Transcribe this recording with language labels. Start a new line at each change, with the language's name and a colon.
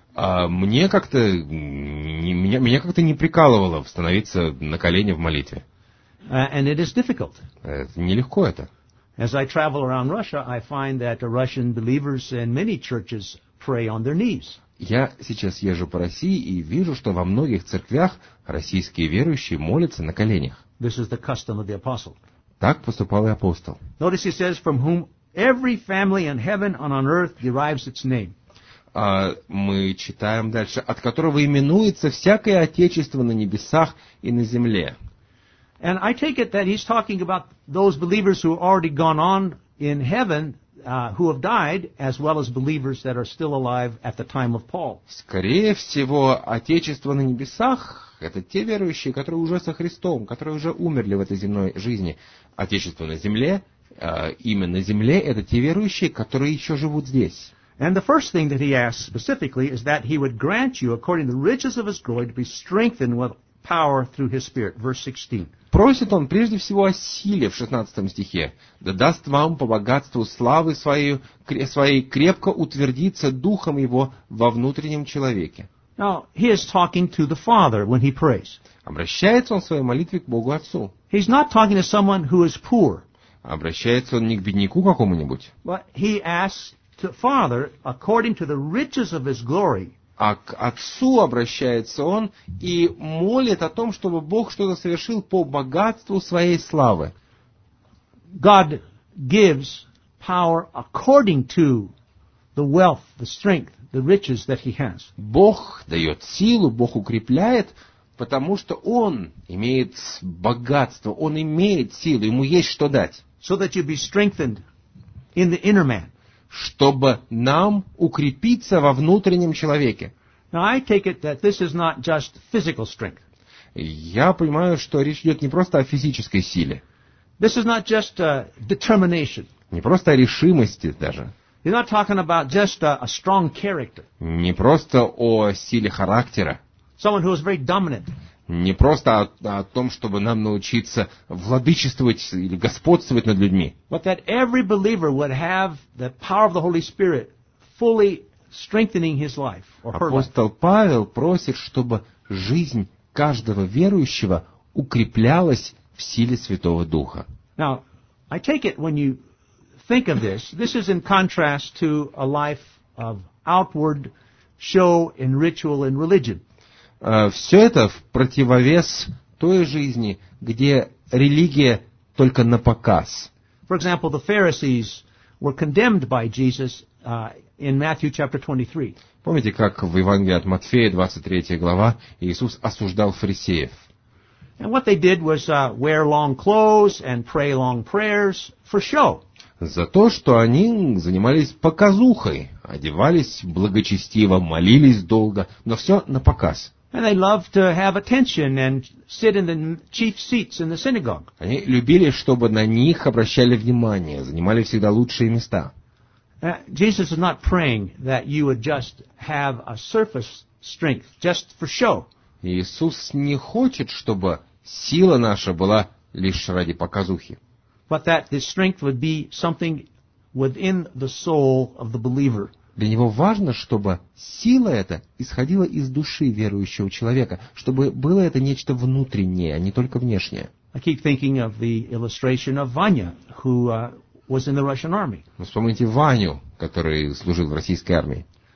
Russian: Меня как-то не прикалывало становиться на колени в молитве.
English: And it is difficult.
Russian: Нелегко это.
English: As I travel around Russia, I find that the Russian believers in many churches pray on their knees.
Russian: Я сейчас езжу по России и вижу, что во многих церквях российские верующие молятся на коленях.
English: This is the custom of the apostle.
Russian: Так поступал и апостол.
English: Notice he says, from whom every family in heaven and on earth derives its name.
Russian: Мы читаем дальше, от которого именуется всякое отечество на небесах и на земле.
English: And I take it that he's talking about those believers who have already gone on in heaven, who have died, as well as believers that are still alive at the time of Paul.
Russian: Скорее всего, отечество на небесах — это те верующие, которые уже со Христом, которые уже умерли в этой земной жизни. Отечество на земле, имя на земле — это те верующие, которые еще живут здесь.
English: And the first thing that he asks specifically is that he would grant you, according to the riches of his glory, to be strengthened with power through his Spirit. Verse 16.
Russian: Просит он прежде всего о силе в 16 стихе. Да даст вам по богатству славы своей крепко утвердиться духом его во внутреннем человеке.
English: Now, he is talking to the Father when he prays.
Russian: Обращается он в своей молитве к Богу Отцу.
English: He's not talking to someone who is poor.
Russian: Обращается он не к бедняку какому-нибудь.
English: But he asks the Father, according to the riches of his glory.
Russian: А к Отцу обращается он и молит о том, чтобы Бог что-то совершил по богатству своей славы.
English: God gives power according to the wealth, the strength, the riches that he has.
Russian: Бог дает силу, Бог укрепляет, потому что он имеет богатство, он имеет силу, ему есть что дать.
English: So that you be strengthened in the inner man.
Russian: Чтобы нам укрепиться во внутреннем человеке.
English: Now I take it that this is not just physical strength.
Russian: Я понимаю, что речь идет не просто о физической силе.
English: This is not just determination.
Russian: Не просто о решимости даже.
English: You're not talking about just a strong character.
Russian: Не просто о силе характера.
English: Someone who is very dominant.
Russian: Не просто о том, чтобы нам научиться владычествовать или господствовать над людьми.
English: But that every believer would have the power of the Holy Spirit fully strengthening his life or her life.
Russian: Апостол Павел просит, чтобы жизнь каждого верующего укреплялась в силе Святого Духа.
English: Now, I take it when you think of this, this is in contrast to a life of outward show and ritual and religion.
Russian: Все это в противовес той жизни, где религия только на показ.
English: For example, the Pharisees were condemned by Jesus in Matthew chapter 23.
Russian: Помните, как в Евангелии от Матфея, 23 глава, Иисус осуждал фарисеев?
English: And what they did was wear long clothes and pray long prayers for show.
Russian: За то, что они занимались показухой, одевались благочестиво, молились долго, но все на показ.
English: And they loved to have attention and sit in the chief seats in the synagogue.
Russian: Они любили, чтобы на них обращали внимание, занимали всегда лучшие места.
English: Jesus is not praying that you would just have a surface strength just for show.
Russian: Иисус не хочет, чтобы сила наша была лишь ради показухи.
English: But that this strength would be something within the soul of the believer.
Russian: Для него важно, чтобы сила эта исходила из души верующего человека, чтобы было это нечто внутреннее, а не только внешнее.
English: I keep thinking of the illustration of Vanya, who was in the Russian army.
Russian: Вспомните Ваню, который служил в российской армии.